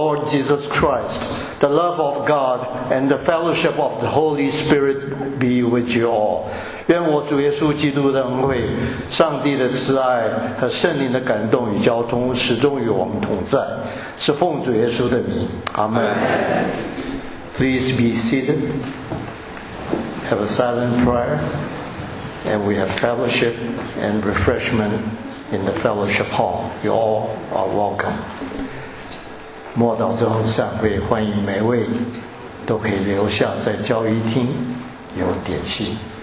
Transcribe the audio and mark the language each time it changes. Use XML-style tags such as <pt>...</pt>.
<en>Jesus Christ, the love of God, and the fellowship of the Holy Spirit be with you all.</en> <zh>愿我主耶稣基督的恩惠，上帝的慈爱和圣灵的感动与交通始终与我们同在。是奉主耶稣的名。Amen.</zh> <en>Please be seated. Have a silent prayer. And we have fellowship and refreshment in the fellowship hall. You all are welcome.</en> <zh>末祷之后散会，欢迎每位都可以留下在交谊厅有点心。</zh>